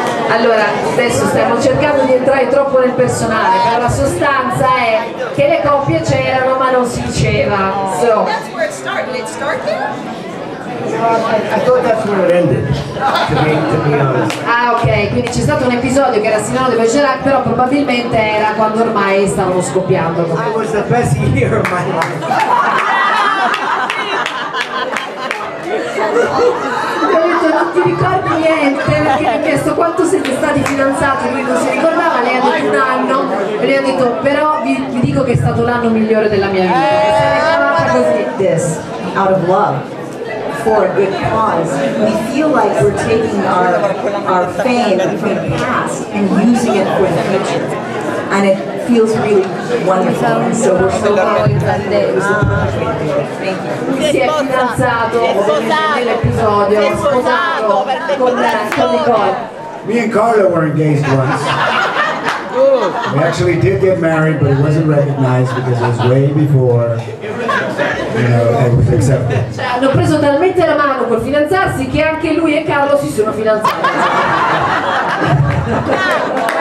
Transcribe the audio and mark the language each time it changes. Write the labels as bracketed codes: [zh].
[it] Allora, adesso stiamo cercando di entrare troppo nel personale, però la sostanza è che le coppie c'erano ma non si diceva. So. Ah, ok, quindi c'è stato un episodio che era sinonimo di Bergerac, però probabilmente era quando ormai stavano scoppiando. [en] I was the best year of my life. [it] Ti ricordi niente, perché mi ha chiesto quanto siete stati fidanzati, lui non si ricordava, lei ha detto un anno, e lui ha detto però vi dico che è stato l'anno migliore della mia vita. [en] This out of love for a good cause, we feel like we're taking our fame from the past and using it for the future, and it feels really wonderful, and so we're so glad. [it] Si è fidanzato nell'episodio, sposato con Nicole. [en] Me and Carlo were engaged once. We actually did get married, but it wasn't recognized because it was way before, you know, it was accepted. [it] Hanno preso talmente la mano col fidanzarsi che anche lui e Carlo si sono fidanzati.